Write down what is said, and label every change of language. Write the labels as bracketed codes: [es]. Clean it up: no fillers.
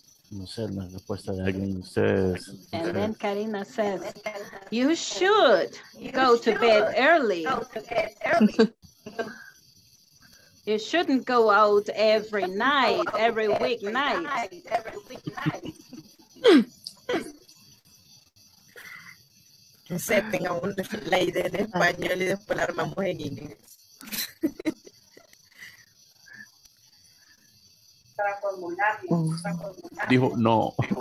[es] No sé, la respuesta de alguien de ustedes. [en] And then Karina says, you should go to bed early. You shouldn't go out every night, every week night. [es] Que se tenga la idea en español y después la armamos en inglés. Dijo no.